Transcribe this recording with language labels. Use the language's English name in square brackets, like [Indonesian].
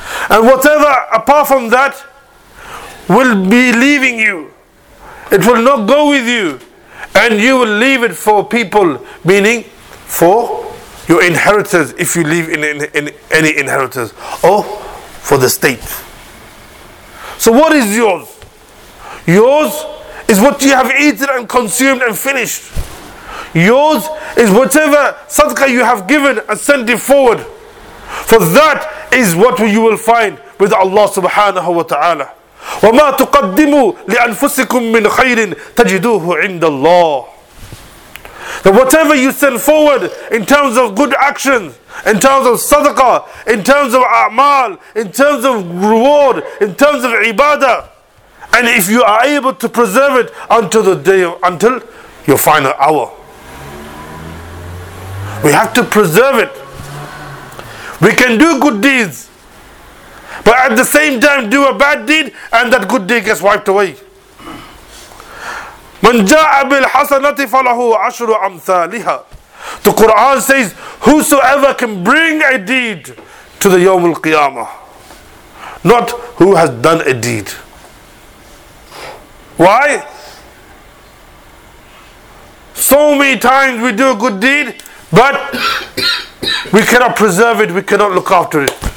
[English] And whatever apart from that will be leaving you, it will not go with you, and you will leave it for people, meaning for your inheritors, if you leave in any inheritors, or for the state. So what is yours? Yours is what you have eaten and consumed and finished. Yours is whatever sadaqah you have given and sent it forward. For that is what you will find with Allah subhanahu wa ta'ala. [Arabic] وما تقدموا لأنفسكم من خير تجدوه عند الله. [English] That whatever you send forward in terms of good actions, in terms of sadaqah, in terms of a'mal, in terms of reward, in terms of ibadah, and if you are able to preserve it until the day, until your final hour. We have to preserve it. We can do good deeds, but at the same time do a bad deed and that good deed gets wiped away. [Arabic] من جاء بالحسنة فله عشر أمثالها. [English] The Quran says, whosoever can bring a deed to the Yawm al-Qiyamah. Not who has done a deed. Why? So many times we do a good deed, but we cannot preserve it, we cannot look after it.